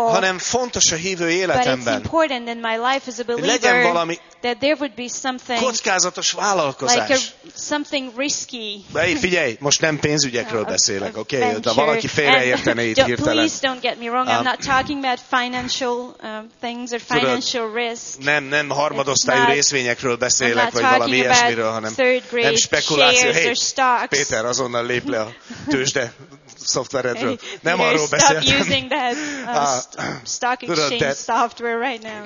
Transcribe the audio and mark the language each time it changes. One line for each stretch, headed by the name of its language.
Hungarian: hanem fontos a hívő életemben, hogy legyen valami
English: that there would be something
Hungarian: kockázatos vállalkozás.
English: Like something risky.
Hungarian: Hey, figyelj, most nem pénzügyekről beszélek, oké? Okay? De valaki félreértene itt hirtelen.
English: Please don't get me wrong. I'm not talking about financial things or financial risk.
Hungarian: Nem harmadosztályú részvényekről beszélek, vagy valami ilyesmiről, hanem nem spekuláció.
English: Hey,
Hungarian: Péter, azonnal lép le a tőzsde szoftveredről. Nem arról beszéltem.
English: Stop using that stock exchange software right now.